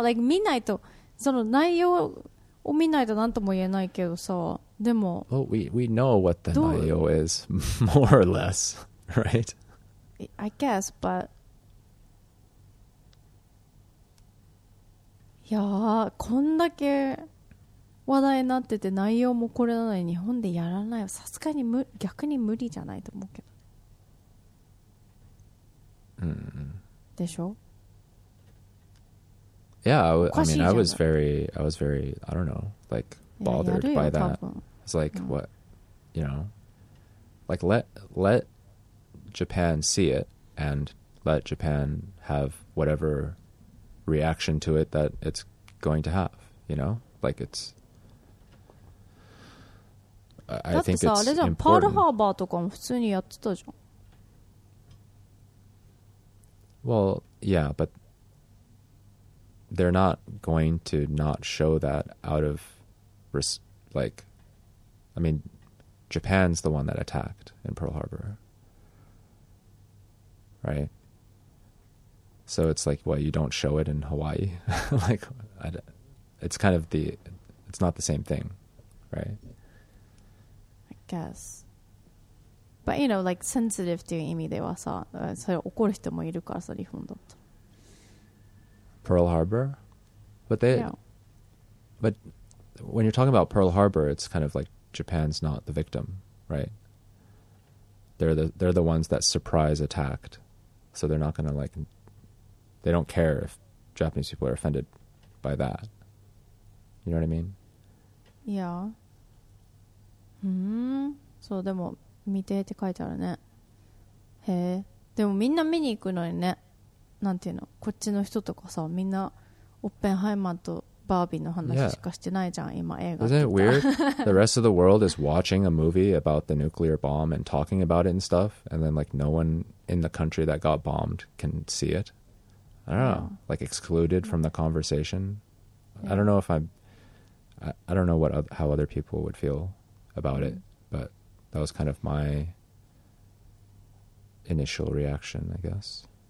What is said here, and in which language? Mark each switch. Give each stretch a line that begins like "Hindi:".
Japanese: Like, 見ないとその内容を見ないと何とも言えないけどさ、でも
English: Well, we know what the 内容 is more or less, right? I guess, but.
Japanese: いやーこんだけ話題になってて内容もこれなのに日本でやらないはさすがに逆に無理じゃないと思うけど、でしょ
English: Yeah, I mean, I was very, I don't know, like, bothered by that. It's like, what, you know, like, let Japan see it and let Japan have whatever reaction to it that it's going to have, you know? Like, it's... I think it's important. That's
Japanese: さ、あれじゃん、パールハーバーとかも普通にやってたじゃん。
English: Well, yeah, but they're not going to not show that out of, like, I mean, Japan's the one that attacked in Pearl Harbor, right? So it's like, well, you don't show it in Hawaii? Like, it's kind of it's not the same thing, right? I guess. But, you know, like,
Japanese: sensitive という意味ではさ、それ怒る人もいるからさ、日本だと。
English: Pearl Harbor? But they... Yeah. But when you're talking about Pearl Harbor, it's kind of like Japan's not the victim, right? They're the ones that surprise attacked. So they're not going to, like... They don't care if Japanese people are offended by that. You know what I mean? Yeah.
Japanese: So, でも見てって書いてあるね。へえ。でもみんな見に行くのにね。なんていうの、こっちの人とかさ、みんなオッペンハイマーとバービーの話しかしてないじゃん、今映画って。
English: Isn't it weird? The rest of the world is watching a movie about the nuclear bomb and talking about it and stuff, and then like no one in the country that got bombed can see it. I don't know. Like excluded from the conversation. I don't know if I'm... I don't know how other people would feel about it. That was kind of my initial reaction, I guess.